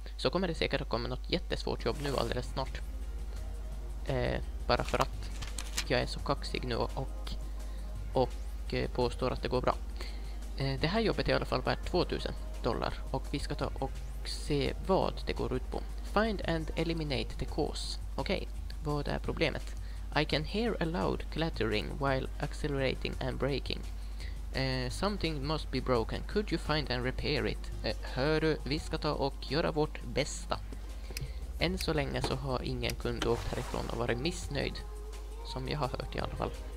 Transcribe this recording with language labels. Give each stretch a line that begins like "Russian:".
Swedish: Så kommer det säkert att komma något jättesvårt jobb nu alldeles snart. Bara för att jag är så kaxig nu och påstår att det går bra. Det här jobbet är i alla fall värt $2000. Och vi ska ta och se vad det går ut på.
English: Find and eliminate the cause.
Swedish: Okej, vad är problemet?
English: I can hear a loud clattering while accelerating and braking. Something must be broken. Could you find and repair it?
Swedish: Hör du, vi ska ta och göra vårt bästa. Än så länge så har ingen kund åkt härifrån och varit missnöjd. Som jag har hört i alla fall.